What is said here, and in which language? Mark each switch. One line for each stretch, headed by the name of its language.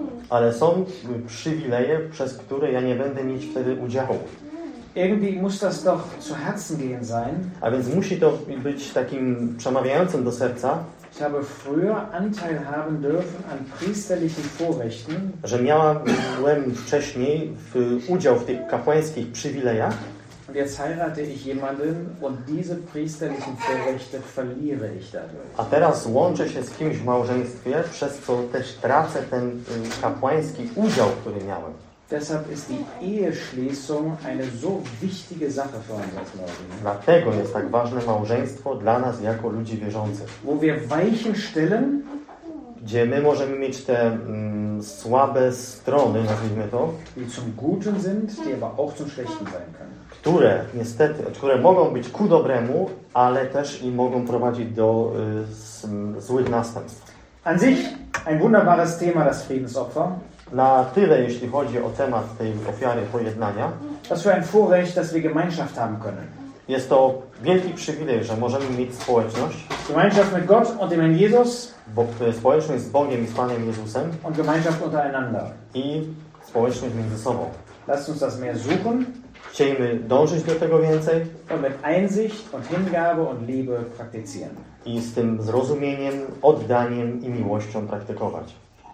Polish: Ale są przywileje, przez które ja nie będę mieć wtedy udziału.
German: Irgendwie muss das doch zu Herzen gehen sein.
Polish: A więc musi to być takim przemawiającym do serca.
German: Ich habe früher Anteil haben dürfen an priesterlichen Vorrechten.
Polish: Że miałem wcześniej udział w tych kapłańskich przywilejach.
German: Und jetzt heirate ich jemanden und diese priesterlichen Vorrechte verliere ich dadurch.
Polish: A teraz łączę się z kimś w małżeństwie, przez co też tracę ten kapłański udział, który miałem.
German: Deshalb ist die Eheschließung eine so wichtige Sache für uns als Gläubige.
Polish: Dlatego jest tak ważne małżeństwo dla nas jako ludzi wierzących.
German: Wo wir weichen stellen,
Polish: gdzie my możemy mieć te słabe strony, nazwijmy to,
German: die zum Guten sind, die aber auch zum Schlechten sein können.
Polish: Które niestety, które mogą być ku dobremu, ale też i mogą prowadzić do złych następstw.
German: An sich ein wunderbares Thema, das Friedensopfer.
Polish: Na tyle, jeśli chodzi o temat tej ofiary pojednania.
German: Was für ein Vorrecht, dass wir Gemeinschaft haben können.
Polish: Jest to wielki przywilej, że możemy mieć społeczność.
German: Gemeinschaft mit Gott und dem Herrn Jesus.
Polish: Bo to jest społeczność z Bogiem i z Panem Jezusem.
German: Und Gemeinschaft untereinander.
Polish: I społeczność między sobą.
German: Lasst uns das mehr suchen.
Polish: Chcemy dążyć do tego więcej.
German: Und mit Einsicht und Hingabe und Liebe praktizieren.
Polish: I z tym zrozumieniem, oddaniem i miłością praktykować.